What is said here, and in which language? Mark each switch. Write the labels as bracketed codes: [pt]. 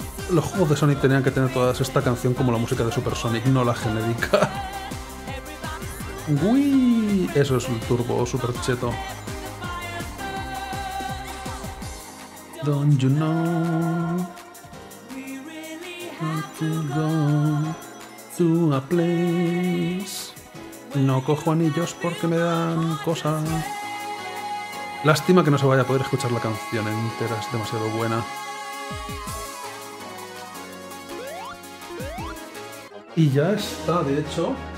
[es] Los juegos de Sonic tenían que tener toda esta canción como la música de Super Sonic, no la genérica. ¡Uy! Eso es un turbo super cheto. [en] Don't you know how to go to a place. [es] No cojo anillos porque me dan cosa. Lástima que no se vaya a poder escuchar la canción entera, es demasiado buena. Y ya está, de hecho.